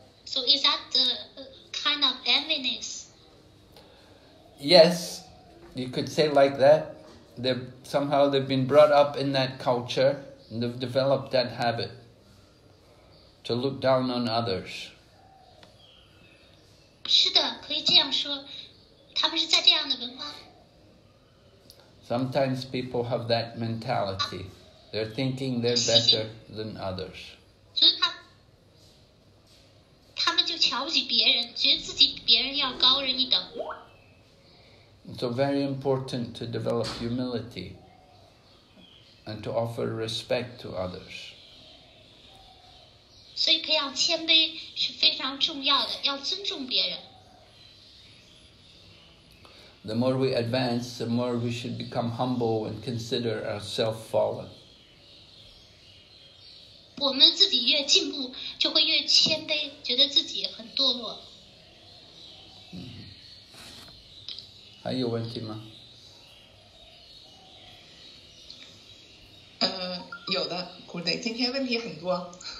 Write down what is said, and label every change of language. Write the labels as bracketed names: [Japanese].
[English] So is that the kind of enviness? Yes, you could say like that. Somehow they've been brought up in that culture and they've developed that habit to look down on others. [Chinese] 是的，可以这样说，他们是在这样的文化。 [English] Sometimes people have that mentality. They're thinking they're better than others. [Chinese] 所以他们就瞧不起别人，觉得自己别人要高人一等。 [English] So very important to develop humility and to offer respect to others. [Chinese] 所以培养谦卑是非常重要的，要尊重别人。 [English] The more we advance, the more we should become humble and consider ourselves fallen. [Chinese] 我们自己越进步，就会越谦卑，觉得自己很堕落。还有问题吗？有的，古德，今天问题很多。